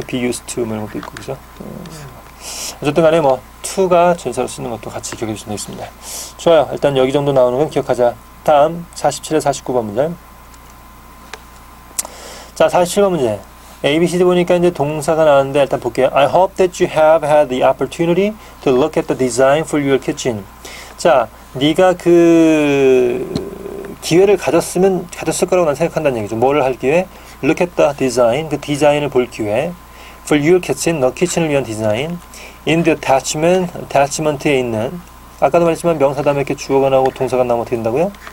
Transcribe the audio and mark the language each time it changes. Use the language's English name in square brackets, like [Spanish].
[Korean] be used to 뭐 이런 것도 있고 그죠? 어쨌든 간에 뭐 to가 전사로 쓰는 것도 같이 기억해 주시면 되겠습니다. 좋아요. 일단 여기 정도 나오는 건 기억하자. 다음 47에 49번 문제. 자, 47번 문제. ABCD 보니까 이제 동사가 나왔는데 일단 볼게요. [English] I hope that you have had the opportunity to look at the design for your kitchen. [Korean] 자, 네가 그 기회를 가졌으면 가졌을 거라고 난 생각한다는 얘기죠. 뭐를 할 기회? [English] Look at the design. [Korean] 그 디자인을 볼 기회. [English] For your kitchen, [Korean] 너 키친을 위한 디자인. [English] In the attachment [Korean] 에 있는 아까도 말했지만 명사 다음에 이렇게 주어가 나오고 동사가 나오면 어떻게 된다고요?